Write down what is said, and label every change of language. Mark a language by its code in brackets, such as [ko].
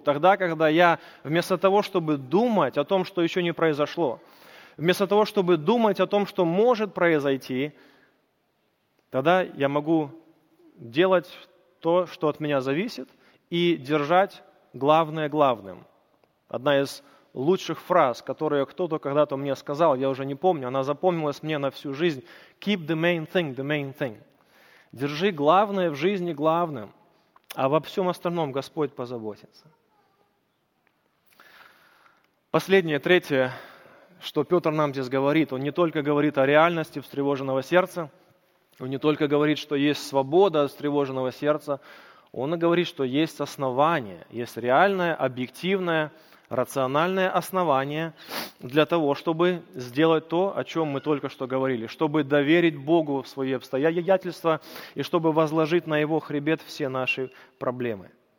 [ru] Тогда, когда я вместо того, чтобы думать о том, что еще не произошло, вместо того, чтобы думать о том, что может произойти, тогда я могу делать то, что от меня зависит, и держать главное главным. Одна из лучших фраз, которую кто-то когда-то мне сказал, я уже не помню, она запомнилась мне на всю жизнь. [en] Keep the main thing, the main thing. [ru] Держи главное в жизни главным, а во всем остальном Господь позаботится. Последнее, третье, что Петр нам здесь говорит, он не только говорит о реальности встревоженного сердца, он не только говорит, что есть свобода от встревоженного сердца, он и говорит, что есть основание, есть реальное, объективное, рациональное основание для того, чтобы сделать то, о чем мы только что говорили, чтобы доверить Богу свои обстоятельства и чтобы возложить на Его хребет все наши проблемы.